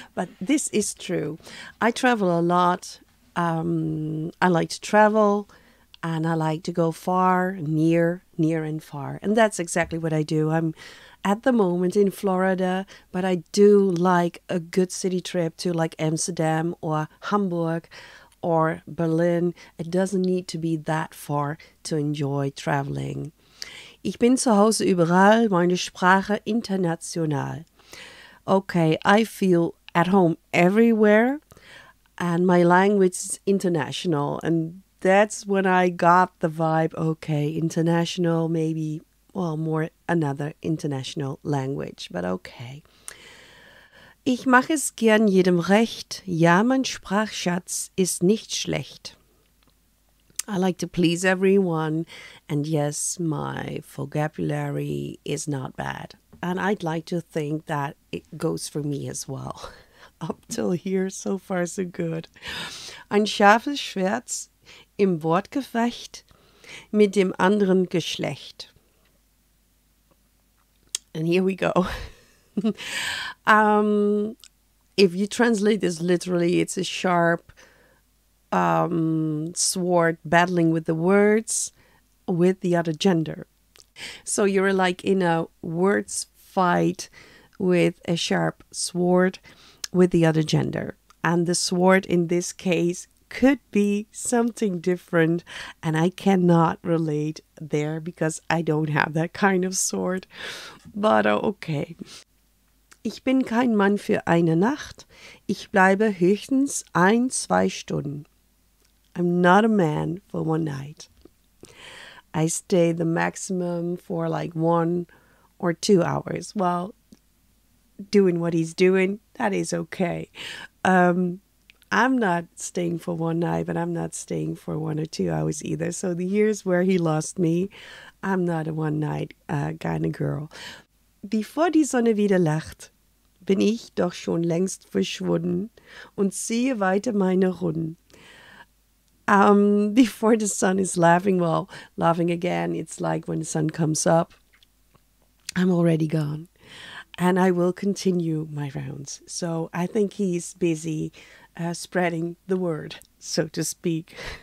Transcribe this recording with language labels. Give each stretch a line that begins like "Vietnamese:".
English: But this is true. I travel a lot. I like to travel and I like to go far, near, near and far. And that's exactly what I do. I'm at the moment in Florida, but I do like a good city trip to like Amsterdam or Hamburg or Berlin. It doesn't need to be that far to enjoy traveling.
German: Ich bin zu Hause überall, meine Sprache international.
English: Okay, I feel at home everywhere and my language is international. And that's when I got the vibe, okay, international, maybe well, more another international language, but okay.
German: Ich mache es gern jedem recht. Ja, mein Sprachschatz ist nicht schlecht.
English: I like to please everyone. And yes, my vocabulary is not bad. And I'd like to think that it goes for me as well. Up till here, so far, so good.
German: Ein scharfes Schwert im Wortgefecht mit dem anderen Geschlecht.
English: And here we go. If you translate this literally, it's a sharp sword battling with the words with the other gender. So you're like in a words fight with a sharp sword with the other gender. And the sword in this case could be something different. And I cannot relate there because I don't have that kind of sword. But okay.
German: Ich bin kein Mann für eine Nacht. Ich bleibe höchstens ein, zwei Stunden.
English: I'm not a man for one night. I stay the maximum for like 1 or 2 hours. Well, doing what he's doing, that is okay. I'm not staying for one night, but I'm not staying for 1 or 2 hours either. So the years where he lost me, I'm not a one night kind of girl.
German: Bevor die Sonne wieder lacht, bin ich doch schon längst verschwunden und ziehe weiter meine Runden.
English: Before the sun is laughing, well, laughing again, it's like when the sun comes up, I'm already gone. And I will continue my rounds. So I think he's busy spreading the word, so to speak.